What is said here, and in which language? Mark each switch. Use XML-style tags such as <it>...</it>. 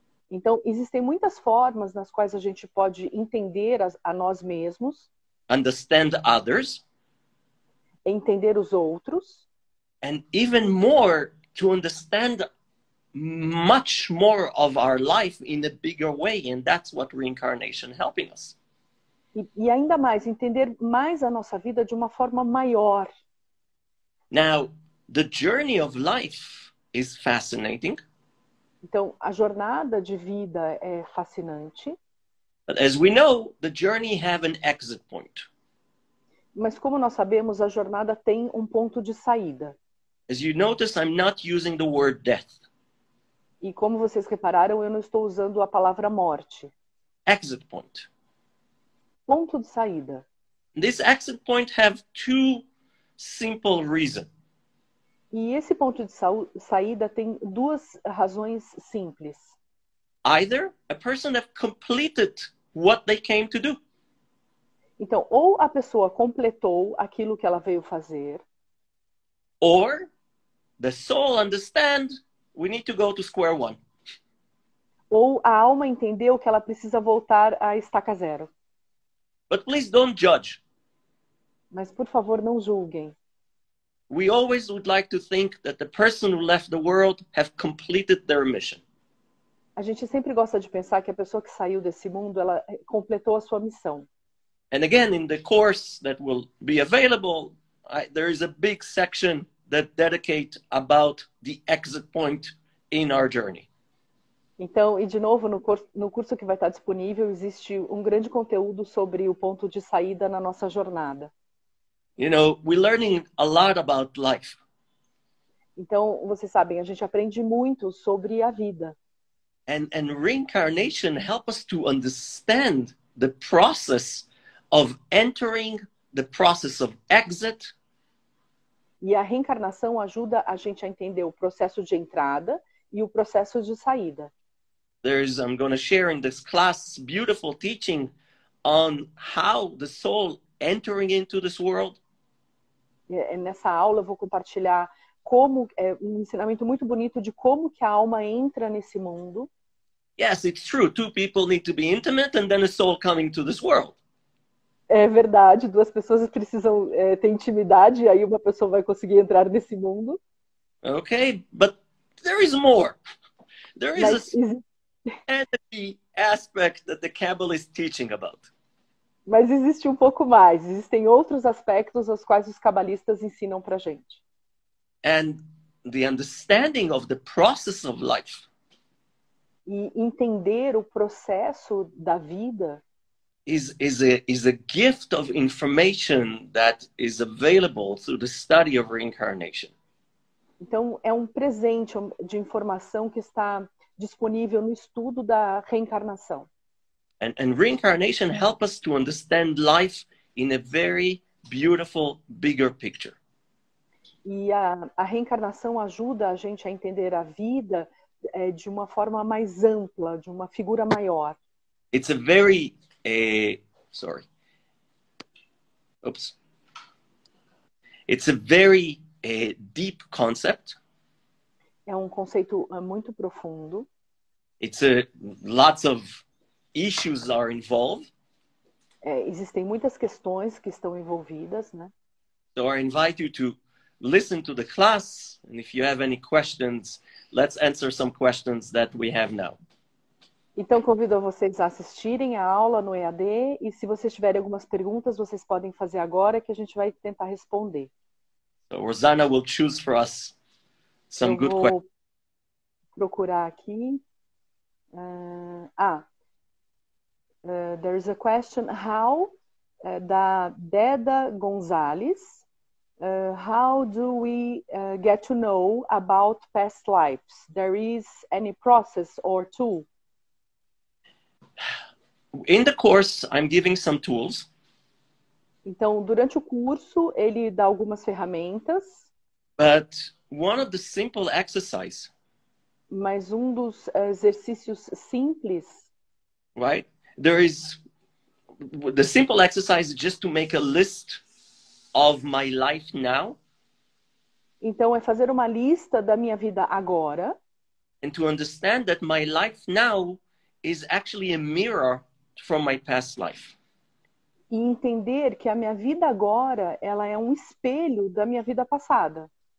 <pt>Então, existem muitas formas nas quais a gente pode entender a nós mesmos.</pt> <en>Understand others.</en> <pt>Entender os outros.</pt> <en>And even more, to understand much more of our life in a bigger way, and that's what reincarnation helping us.</en> <pt>E ainda mais, entender mais a nossa vida de uma forma maior.</pt> <en>Now, the journey of life is fascinating.</en> <pt>Então, a jornada de vida é fascinante.</pt> <en>But as we know, the journey have an exit point.</en> <pt>Mas como nós sabemos, a jornada tem um ponto de saída.</pt> <en>As you notice, I'm not using the word death.</en> <pt>E como vocês repararam, eu não estou usando a palavra morte.</pt> <en>Exit point.</en> <pt>Ponto de saída.</pt> <en>This exit point have 2 simple reasons.</en> <pt>E esse ponto de saída tem 2 razões simples.</pt> <en>Either a person have completed what they came to do.</en> <pt>Então, ou a pessoa completou aquilo que ela veio fazer.</pt> <en>Or the soul understand we need to go to square one.</en> <pt>Ou a alma entendeu que ela precisa voltar à estaca zero.</pt> <en>But please don't judge.</en> <pt>Mas por favor, não julguem.</pt> <en>We always would like to think that the person who left the world have completed their mission.</en> <pt>A gente sempre gosta de pensar que a pessoa que saiu desse mundo, ela completou a sua missão.</pt> <en>And again, in the course that will be available, there is a big section that dedicate about the exit point in our journey.</en> <pt>Então, e de novo, no curso que vai estar disponível, existe um grande conteúdo sobre o ponto de saída na nossa jornada.</pt> <en>You know, we're learning a lot about life.</en> <pt>Então, vocês sabem, a gente aprende muito sobre a vida.</pt> <en>And reincarnation helps us to understand the process of entering, the process of exit.</en> <pt>E a reencarnação ajuda a gente a entender o processo de entrada e o processo de saída.</pt> <en>I'm going to share in this class beautiful teaching on how the soul entering into this world.</en> <pt>Nessa aula eu vou compartilhar como é um ensinamento muito bonito de como que a alma entra nesse mundo.</pt> <en>Yes, it's true. Two people need to be intimate and then a soul coming to this world.</en> <pt>É verdade, duas pessoas precisam ter intimidade e aí uma pessoa vai conseguir entrar nesse mundo.</pt> <en>Okay, but there is more. There is energy aspect that the Kabbalah is teaching about.</en> <pt>Mas existe um pouco mais. Existem outros aspectos aos quais os cabalistas ensinam para gente.</pt> <en>And the understanding of the process of life.</en> <pt>E entender o processo da vida.</pt> <en>Is a gift of information that is available through the study of reincarnation.</en> <pt>Então é um presente de informação que está disponível no estudo da reencarnação.</pt> <en>And reincarnation helps us to understand life in a very beautiful, bigger picture.</en> <pt>E a reencarnação ajuda a gente a entender a vida de uma forma mais ampla, de uma figura maior.</pt> <en>It's a very... sorry. Oops. It's a very deep concept.</en> <pt>É um conceito muito profundo.</pt> <en>It's a lots of issues are involved.</en> <pt>Existem muitas questões que estão envolvidas, né?</pt> <en>So I invite you to listen to the class, and if you have any questions, let's answer some questions that we have now.</en> <pt>Então convido vocês a assistirem a aula no EAD e se vocês tiverem algumas perguntas, vocês podem fazer agora que a gente vai tentar responder.</pt> <en>So Rosanna will choose for us some good questions.</en> <pt>Eu vou procurar aqui.</pt> <en>There is a question how da Deda Gonzalez. How do we get to know about past lives? There is any process or tool? In the course, I'm giving some tools.</en> <pt>Então, durante o curso, ele dá algumas ferramentas.</pt> <en>But one of the simple exercises.</en> <pt>Mas um dos exercícios simples.</pt> <en>Right? There is the simple exercise just to make a list of my life now.</en> <pt>Então, é fazer uma lista da minha vida agora.</pt> <en>And to understand that my life now is actually a mirror from my past life.</en> <pt>E entender que a minha vida agora, ela é um espelho da minha vida passada.</pt>